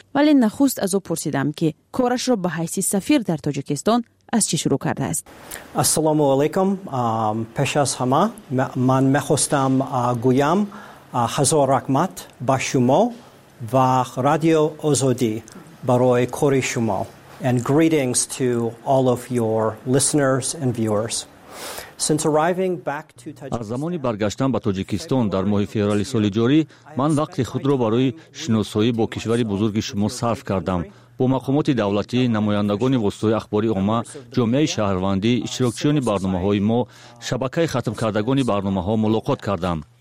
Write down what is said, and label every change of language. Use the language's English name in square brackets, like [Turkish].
[Persian] ولی نخست از او پرسیدم که کارش را به حیث سفیر در تاجیکستان از چی شروع کرده است؟ السلام علیکم. پیش از همه من میخواستم گویم هزار رحمت با شما و رادیو آزادی برای کاری شما. [English] And greetings to all of your listeners and viewers. Since arriving back to Tajikistan, [Persian] از زمانی برگشتم به تاجیکستان در ماه فوریه سال جاری، من وقت خود را برای شناسایی با کشوری بزرگ شما صرف کردم. با مقامات دولتی، نمایندگان واسطه اخباری عامه، جامعه شهروندی، اشتراکچیان برنامه‌های ما، شبکه ختم کردگان برنامه‌ها ملاقات کردم.